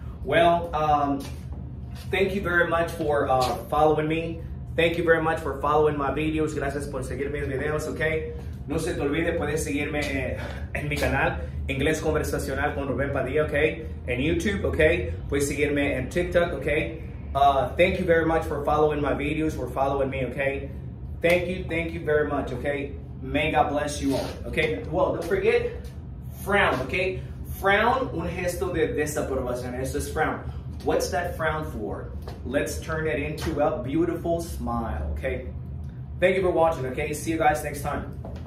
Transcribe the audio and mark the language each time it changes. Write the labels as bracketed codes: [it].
[en] Well, thank you very much for following me. Thank you very much for following my videos. [es] Gracias por seguir mis videos, okay? No se te olvide, puedes seguirme en mi canal, Inglés Conversacional con Rubén Padilla, okay? En YouTube, okay? Puedes seguirme en TikTok, okay? [en] Thank you very much for following my videos, for following me, okay? Thank you very much, okay? May God bless you all, okay? Well, don't forget, frown, okay? [es] Frown, un gesto de desaprobación, eso es frown. [en] What's that frown for? Let's turn it into a beautiful smile, okay? Thank you for watching, okay? See you guys next time.